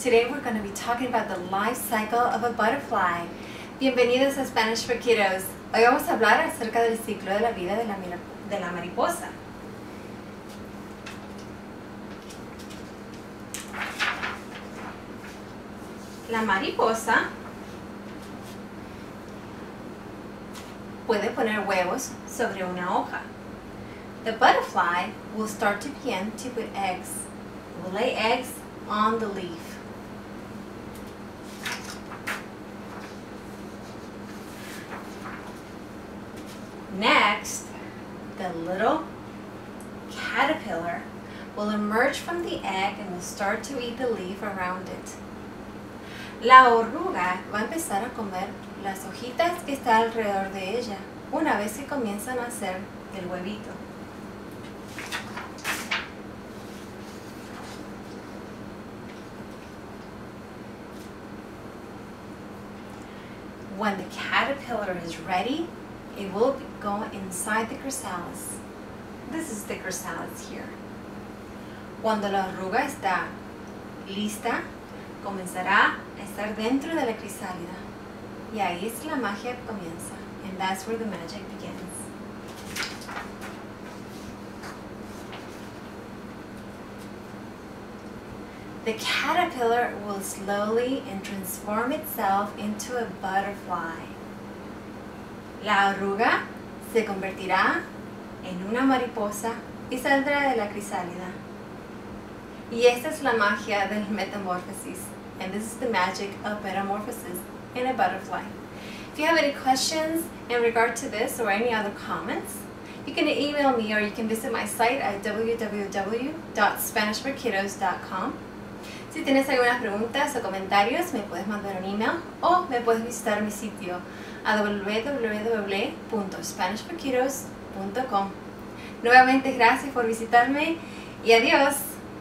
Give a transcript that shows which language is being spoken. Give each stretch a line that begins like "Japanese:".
English: Today we're going to be talking about the life cycle of a butterfly.
Spanish: Bienvenidos a Spanish for Kiddos. Hoy vamos a hablar acerca del ciclo de la vida de la mariposa. La mariposa puede poner huevos sobre una hoja.
English: The butterfly will start to begin to put eggs. Will lay eggs on the leaf. Next, the little caterpillar will emerge from the egg and will start to eat the leaf around it.
Spanish: La oruga va a empezar a comer las hojitas que está alrededor de ella una vez que comienzan a hacer el huevito.
English: When the caterpillar is ready, it will go inside the chrysalis. This is the chrysalis here.
Spanish: Cuando la oruga está lista, comenzará a estar dentro de la crisálida. Y ahí es la magia comienza.
English: And that's where the magic begins. The caterpillar will slowly and transform itself into a butterfly.
Spanish: La oruga se convertirá en una mariposa y saldrá de la crisálida. Y esta es la magia del metamorfosis.
English: And this is the magic of metamorphosis in a butterfly. If you have any questions in regard to this or any other comments, you can email me or you can visit my site at www.spanishforkiddos.com.
Spanish: Si tienes alguna pregunta o comentarios, me puedes mandar un email o me puedes visitar mi sitio a www.spanishforkiddos.com. Nuevamente, gracias por visitarme y adiós.